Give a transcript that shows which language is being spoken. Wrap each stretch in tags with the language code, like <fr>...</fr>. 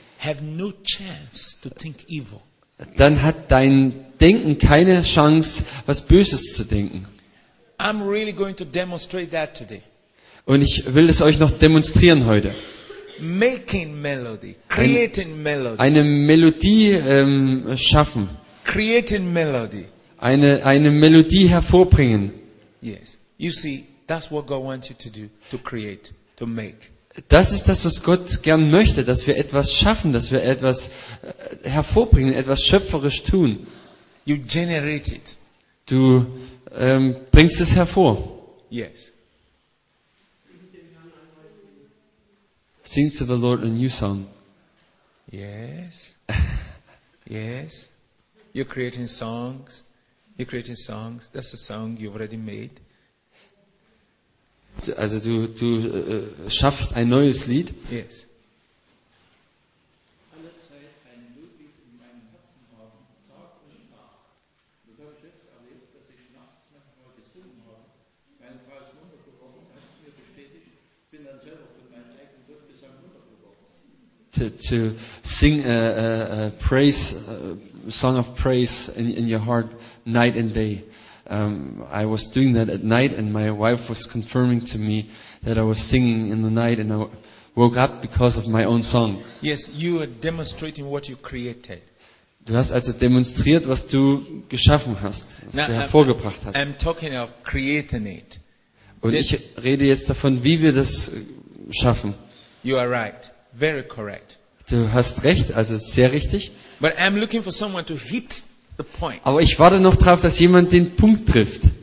<en>have no chance to think evil.</en> <de>Dann hat dein Denken keine Chance, was Böses zu denken.</de> <en>I'm really going to demonstrate that today.</en> <de>Und ich will es euch noch demonstrieren heute.</de> <en>Making melody, creating melody.</en> <de>Eine Melodie schaffen.</de> <en>Creating melody.</en> <de>Eine Melodie hervorbringen.</de> <en>Yes. You see, that's what God wants you to do, to create, to make.</en> <de>Das ist das, was Gott gern möchte, dass wir etwas schaffen, dass wir etwas hervorbringen, etwas schöpferisch tun.</de> <en>You generate it.</en> <de>Du bringst es hervor.</de> <en>Yes. Sing to the Lord a new song. Yes. Yes. You're creating songs. You're creating songs. That's a song you've already made.</en> <de>Also du schaffst ein neues Lied.</de> <en>Yes. To sing a song of praise in your heart night and day. I was doing that at night, and my wife was confirming to me that I was singing in the night, and I woke up because of my own song. Yes, you are demonstrating what you created.</en> <de>Du hast also demonstriert, was du geschaffen hast, was</de> <en>Now,</en> <de>du hervorgebracht hast.</de> <en>I'm talking of creating it.</en> <de>Und ich rede jetzt davon, wie wir das schaffen.</de> <en>You are right. Very correct.</en> <de>Du hast recht, also sehr richtig.</de> <en>But I'm looking for someone to hit the point.</en> <de>Aber ich warte noch drauf, dass jemand den Punkt trifft.</de>